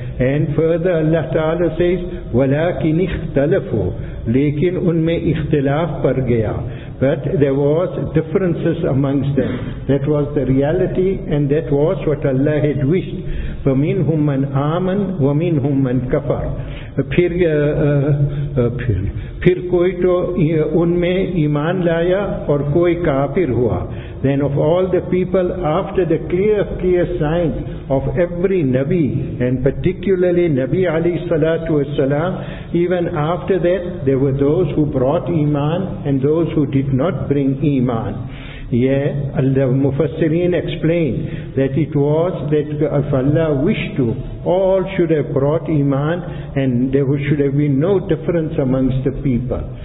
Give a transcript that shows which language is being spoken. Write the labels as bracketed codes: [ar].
[en] And further Allah Ta'ala says, [ar] وَلَكِنْ اِخْتَلَفُوا. [ur] لَكِنْ اُنْمَا اِخْتِلَافْ پَرْ گَيَا. [en] But there was differences amongst them. That was the reality, and that was what Allah had wished. [ar] فَمِنْهُمْ مَنْ آمَنْ وَمِنْهُمْ مَنْ كَفَرْ. [ur] پھر کوئی تو ان میں ایمان لایا اور کوئی کافر ہوا. [en] Then of all the people, after the clear signs of every Nabi, and particularly Nabi Ali Salatu Wasalam, even after that, there were those who brought iman and those who did not bring iman. Yeah, the Mufassirin explained that it was that if Allah wished to, all should have brought iman and there should have been no difference amongst the people.